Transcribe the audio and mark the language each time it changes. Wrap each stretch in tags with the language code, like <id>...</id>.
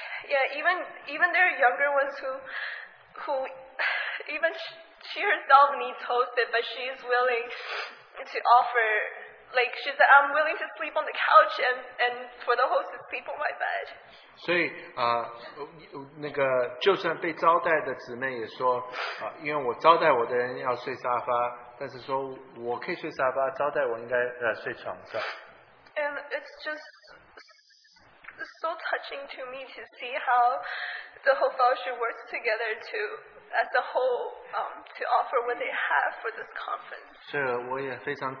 <en>Even their younger ones who even she herself needs hosted, but she's willing to offer. Like she said, I'm willing to sleep on the couch and for the host to sleep on my bed.</en> <zh>所以，那个就算被招待的姊妹也说，因为我招待我的人要睡沙发，但是说我可以睡沙发，招待我应该睡床上。</zh> <en>And it's just so touching to me to see how the whole fellowship works together to as a whole to offer what they have for this conference.</en>